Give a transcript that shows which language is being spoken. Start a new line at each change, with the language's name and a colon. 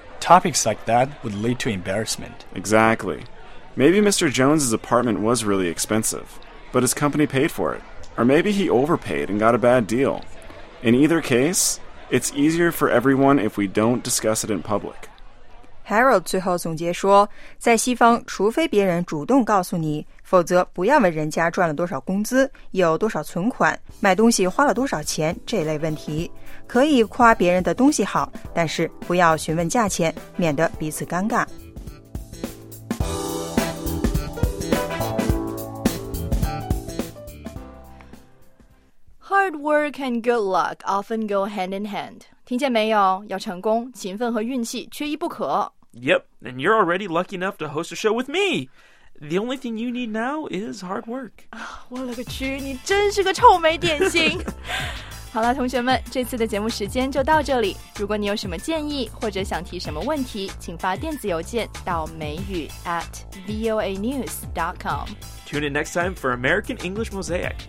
English: Topics like that would lead to embarrassment. Exactly. Maybe Mr. Jones's apartment was really expensive, but his company paid for it. Or maybe he overpaid and got a bad deal. In either case, it's easier for everyone if we don't discuss it in public.
Chinese: Harold 最后总结说，在西方，除非别人主动告诉你，否则不要问人家赚了多少工资、有多少存款、买东西花了多少钱这类问题。可以夸别人的东西好，但是不要询问价钱，免得彼此尴尬。
English: Hard work and good luck often go hand in hand.
Chinese: 听见没有？要成功，勤奋和运气缺一不可。
English: Yep, and you're already lucky enough to host a show with me. The only thing you need now is hard work.
Chinese: 我勒个去，你真是个臭美点心。好了，同学们，这次的节目时间就到这里。如果你有什么建议或者想提什么问题，请发电子邮件到美语@voanews.com。
English: Tune in next time for American English Mosaic.